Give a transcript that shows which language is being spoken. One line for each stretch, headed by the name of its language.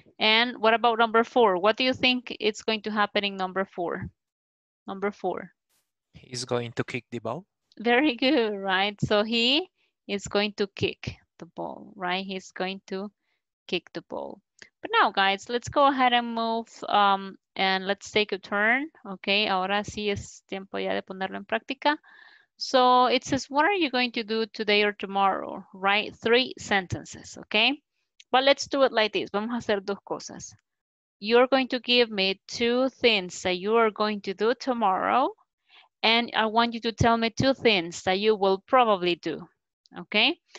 English: And what about number four? What do you think is going to happen in number four? Number four. He's going to kick the ball. Very good, right? So he is going to kick the ball, right? He's going to kick the ball. But now, guys, let's go ahead and move and let's take a turn.
Spanish: Okay, ahora sí es tiempo ya de ponerlo en práctica.
English: So it says, what are you going to do today or tomorrow? Write three sentences, okay? But let's do it like this.
Spanish: Vamos a hacer dos cosas.
English: You're going to give me two things that you are going to do tomorrow. And I want you to tell me two things that you will probably do, okay?